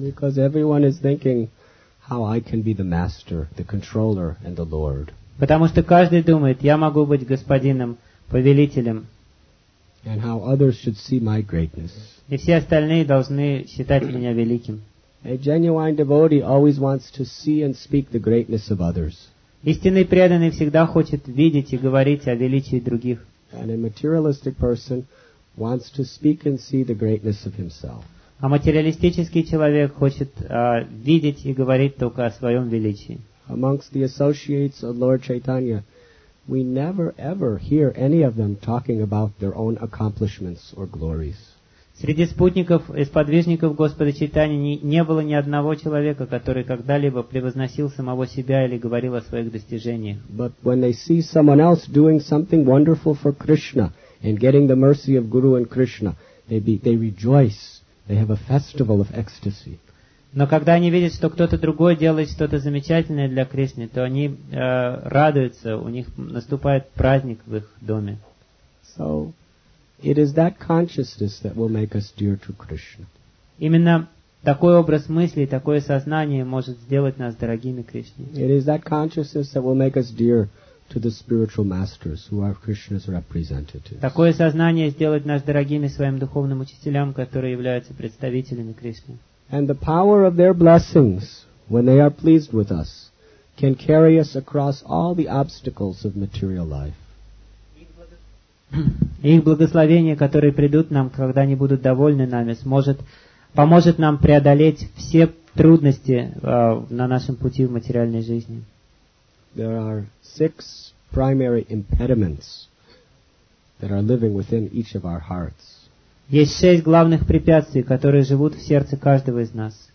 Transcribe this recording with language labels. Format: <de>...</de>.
<en>Because everyone is thinking how I can be the master, the controller, and the lord.</en> <ru>Потому что каждый думает, я могу быть господином, повелителем.</ru> <en>And how others should see my greatness.</en> <ru>И все остальные должны считать меня великим.</ru> <en>A genuine devotee always wants to see and speak the greatness of others.</en> <ru>Истинный преданный всегда хочет видеть и говорить о величии других.</ru> <en>And a materialistic person wants to speak and see the greatness of himself.</en> <ru>А материалистический человек хочет видеть и говорить только о своем величии.</ru> <en>Amongst the associates of Lord Chaitanya, we never ever hear any of them talking about their own accomplishments or glories.</en> <ru>Среди спутников и сподвижников Господа Чайтаньи не было ни одного человека, который когда-либо превозносил самого себя или говорил о своих достижениях.</ru> <en>But when they see someone else doing something wonderful for Krishna and getting the mercy of Guru and Krishna, they rejoice. They have a festival of ecstasy.</en> <ru>Но когда они видят, что кто-то другой делает что-то замечательное для Кришны, то они радуются, у них наступает праздник в их доме.</ru> <en>So, it is that consciousness that will make us dear to Krishna.</en> <ru>Именно такой образ мыслей, такое сознание может сделать нас дорогими Кришне.</ru> <en>It is that consciousness that will make us dear to the spiritual masters who are Krishna's representatives.</en> <ru>Такое сознание сделает нас дорогими своим духовным учителям, которые являются представителями Кришны.</ru> <en>And the power of their blessings, when they are pleased with us, can carry us across all the obstacles of material life.</en> <ru>Их благословения, которые придут нам, когда они будут довольны нами, поможет нам преодолеть все трудности на нашем пути в материальной жизни.</ru> <en>There are six primary impediments that are living within each of our hearts.</en> <ru>Есть шесть главных препятствий, которые живут в сердце каждого из нас.</ru>